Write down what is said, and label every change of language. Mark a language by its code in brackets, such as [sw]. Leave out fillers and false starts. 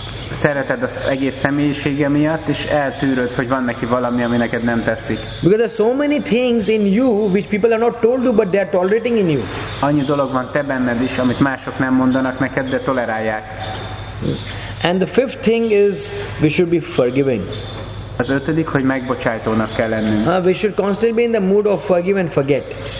[hu] Szereted az egész személyisége miatt, és eltűröd, hogy van neki valami, ami neked nem tetszik. [en] Because there are so many things in you which people have not told you, but they are tolerating in you. [hu] Annyi dolog van te benned is, amit mások nem mondanak neked, de tolerálják. [en] And the fifth thing is we should be forgiving. [hu] Az ötödik, hogy megbocsájtónak kell lennünk. [en] We should constantly be in the mood of forgive and forget.